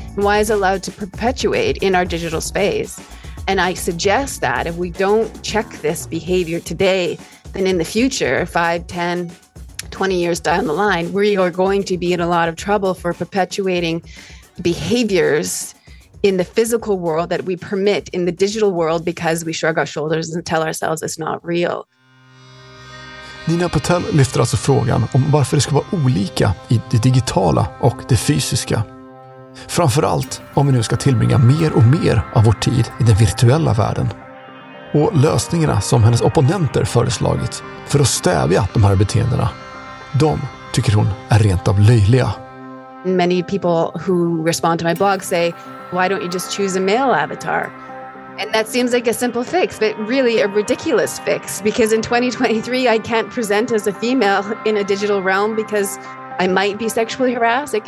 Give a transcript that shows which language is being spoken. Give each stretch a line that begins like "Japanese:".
English: And why is it allowed to perpetuate in our digital space? And I suggest that if we don't check this behavior today, then in the future, 5, 10, 20 years down the line, we are going to be in a lot of trouble for perpetuating behaviors in the physical world that we permit in the digital world because we shrug our shoulders and tell ourselves it's not real.
Swedish: Nina Patel lyfter alltså frågan om varför det ska vara olika i det digitala och det fysiska. Framförallt om vi nu ska tillbringa mer och mer av vår tid i den virtuella världen. Och lösningarna som hennes opponenter föreslagit för att stävja de här beteendena, de tycker hon är rent av löjliga.
English: Many people who respond to my blog say, why don't you just choose a male avatar? And that seems like a simple fix, but really a ridiculous fix, because in 2023 I can't present as a female in a digital realm because I might be sexually harassed.